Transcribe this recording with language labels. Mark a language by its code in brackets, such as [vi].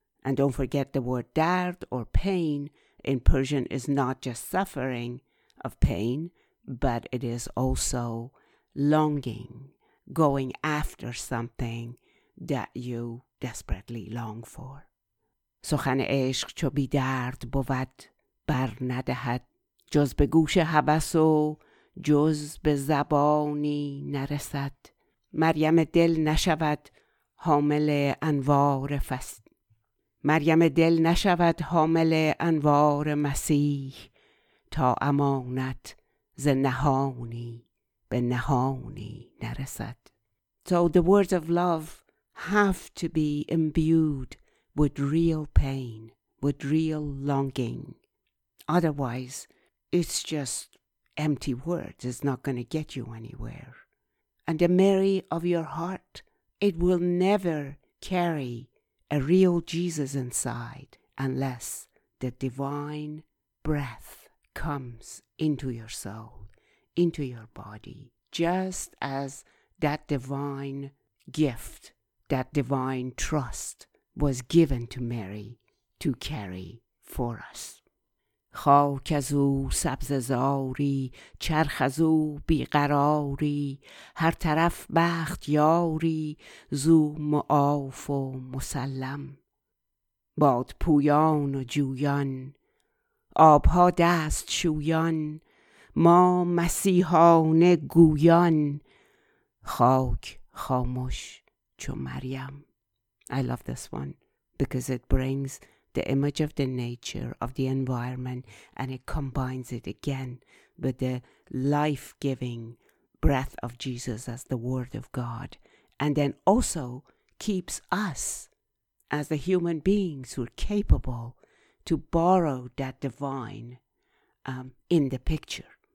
[en] And don't forget, the word dard or pain in Persian is not just suffering of pain, but it is also longing, going after something that you desperately long for. [fa] سخن عشق چو بی درد بود بر ندهد جز به گوش هوس و جز به زبانی نرسد مریم دل نشود حامل انوار مریم دل نشود حامل انوار مسیح تا امانت ز نهانی به نهانی نرسد. [en] So the words of love have to be imbued with real pain, with real longing. Otherwise, it's just empty words is not going to get you anywhere. And the Mary of your heart, it will never carry a real Jesus inside unless the divine breath comes into your soul, into your body, just as that divine gift, that divine trust was given to Mary to carry for us. [fa] خاک از او سبززاری، چرخ از او بیقراری، هر طرف بخت یاری، زو معاف و مسلم. باد پویان و جویان، آبها دست شویان، ما مسیحان گویان، خاک خاموش چو مریم. [en] I love this one because it brings the image of the nature, of the environment, and it combines it again with the life-giving breath of Jesus as the Word of God. And then also keeps us as the human beings who are capable to borrow that divine in the picture.